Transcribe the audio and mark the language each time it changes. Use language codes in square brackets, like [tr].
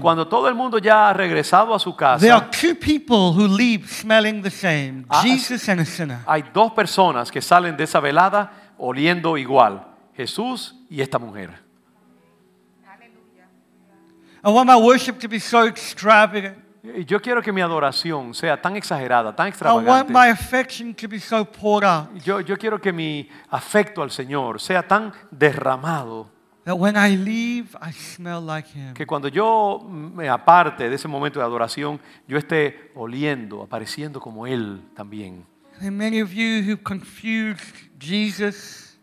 [es] cuando todo el mundo ya ha regresado a su casa, [en] there are two people who leave smelling the same, Jesus and a sinner. [es] Hay dos personas que salen de esa velada oliendo igual, Jesús y esta mujer. [en] I want my worship to be so extravagant. [es] Yo quiero que mi adoración sea tan exagerada, tan extravagante. [en] I want my affection to be so poured out. [es] Yo quiero que mi afecto al Señor sea tan derramado. [en] That when I leave, I smell like him. [es] Que cuando yo me aparte de ese momento de adoración, yo esté oliendo, apareciendo como él también. [en] And many of you who confused Jesus.